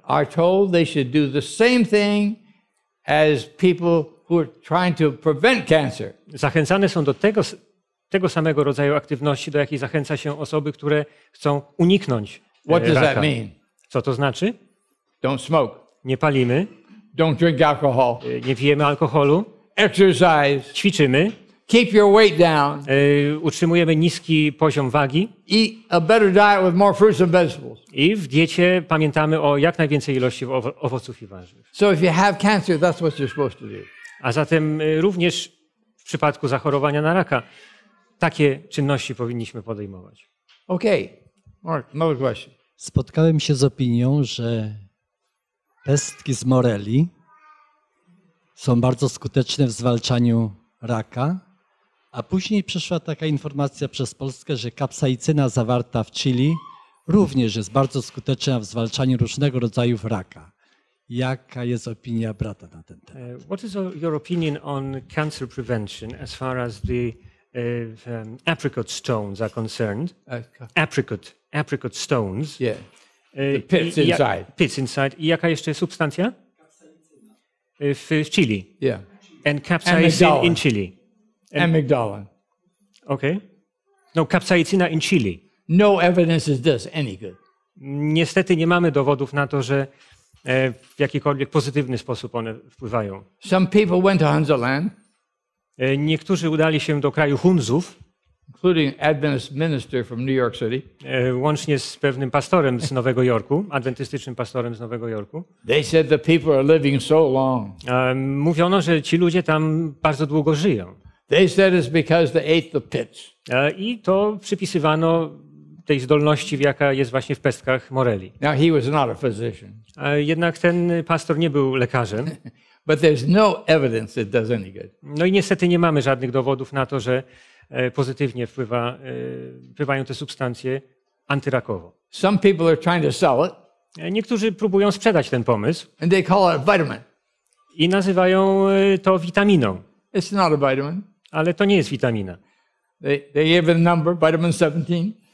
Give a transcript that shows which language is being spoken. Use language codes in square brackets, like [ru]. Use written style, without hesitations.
[en] are told they should do the same thing as people who are trying to prevent cancer. [pl] Zachęcane są do tego samego rodzaju aktywności, do jakiej zachęca się osoby, które chcą uniknąć raka. [en] What does that mean? [pl] Co to znaczy? [en] Don't smoke. [pl] Nie palimy. [en] Don't drink alcohol. [pl] Nie pijemy alkoholu. [en] Exercise. [pl] Ćwiczymy. [en] Keep your weight down. [pl] Utrzymujemy niski poziom wagi. [en] Eat a better diet with more fruits and vegetables. [pl] I w diecie pamiętamy o jak najwięcej ilości owoców i warzyw. [en] So if you have cancer, that's what you're supposed to do. [pl] A zatem również w przypadku zachorowania na raka takie czynności powinniśmy podejmować. Okej, Mark, no właśnie. Spotkałem się z opinią, że pestki z moreli są bardzo skuteczne w zwalczaniu raka, a później przyszła taka informacja przez Polskę, że kapsaicyna zawarta w chili również jest bardzo skuteczna w zwalczaniu różnego rodzaju raka. Jaka jest opinia brata na ten temat? [en] What is your opinion on cancer prevention as far as the apricot stones are concerned? Apricot stones. Yeah. The pits inside. [pl] I jaka jeszcze substancja? W chili. [en] Yeah. And capsaicin in chili. Amygdala. Okay. No, capsaicina in chili. No evidence is this any good. [pl] Niestety nie mamy dowodów na to, że w jakikolwiek pozytywny sposób one wpływają. [en] Some people went to Hunzaland. [pl] Niektórzy udali się do kraju Hunzów, [en] including Adventist minister from New York City. [pl] Łącznie z pewnym pastorem z Nowego Jorku, adwentystycznym pastorem z Nowego Jorku. [en] They said the people are living so long. [pl] Mówiono, że ci ludzie tam bardzo długo żyją. [en] They said it's because they ate the pits. [pl] I to przypisywano tej zdolności, jaka jest właśnie w pestkach moreli. [en] Now he was not a physician. [pl] Jednak ten pastor nie był lekarzem. [en] But there's no evidence it does any good. [pl] No i niestety nie mamy żadnych dowodów na to, że pozytywnie wpływają te substancje antyrakowo. [en] Some people are trying to sell it. [pl] Niektórzy próbują sprzedać ten pomysł. [en] And they call it a vitamin. [pl] I nazywają to witaminą. [en] It's not a vitamin. [pl] Ale to nie jest witamina. [en] They gave it a number, vitamin 17.